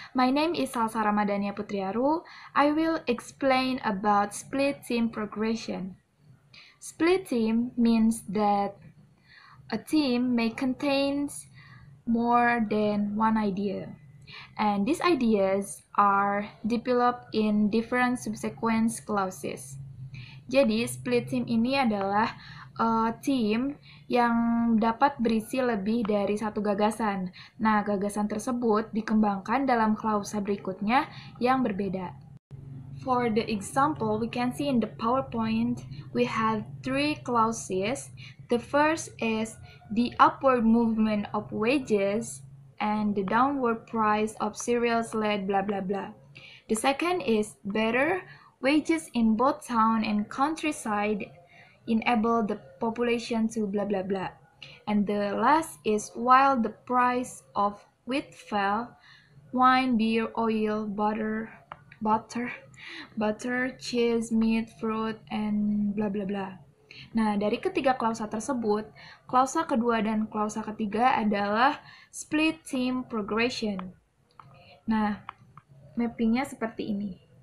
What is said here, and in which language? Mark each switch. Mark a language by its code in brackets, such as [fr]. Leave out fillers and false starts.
[en] My name is Salsa Ramadhania Putriaru. I will explain about split theme progression. Split theme means that a theme may contain more than one idea, and these ideas are developed in different subsequent clauses. [id] Jadi split theme ini adalah theme yang dapat berisi lebih dari satu gagasan. Nah, gagasan tersebut dikembangkan dalam klausa berikutnya yang berbeda. [en] For the example, we can see in the PowerPoint we have three clauses. The first is the upward movement of wages and the downward price of cereals led blah blah blah. The second is better wages in both town and countryside enable the population to blah blah blah. And the last is while the price of wheat fell, wine, beer, oil, butter, cheese, meat, fruit, and blah blah blah. [id] Nah, dari ketiga klausa tersebut, klausa kedua dan klausa ketiga adalah split theme progression. Nah, mappingnya seperti ini.